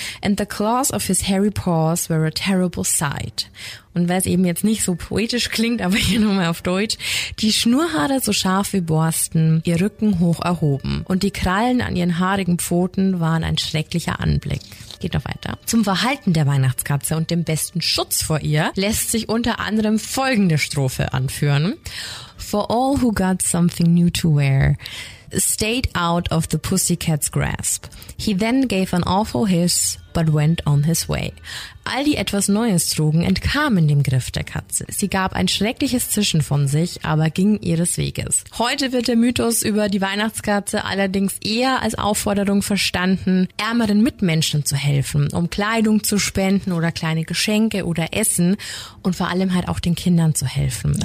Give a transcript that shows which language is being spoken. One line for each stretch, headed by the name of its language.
English: And the claws of his hairy paws were a terrible sight.
German: Und weil es eben jetzt nicht so poetisch klingt, aber hier nochmal auf Deutsch. Die Schnurrhaare so scharf wie Borsten, ihr Rücken hoch erhoben. Und die Krallen an ihren haarigen Pfoten waren ein schrecklicher Anblick. Geht noch weiter. Zum Verhalten der Weihnachtskatze und dem besten Schutz vor ihr lässt sich unter anderem folgende Strophe anführen.
English: For all who got something new to wear, stayed out of the pussycat's grasp. He then gave an awful hiss, but went on his way.
German: All die etwas Neues trugen, entkamen dem Griff der Katze. Sie gab ein schreckliches Zischen von sich, aber ging ihres Weges. Heute wird der Mythos über die Weihnachtskatze allerdings eher als Aufforderung verstanden, ärmeren Mitmenschen zu helfen, um Kleidung zu spenden oder kleine Geschenke oder Essen und vor allem halt auch den Kindern zu helfen. Okay.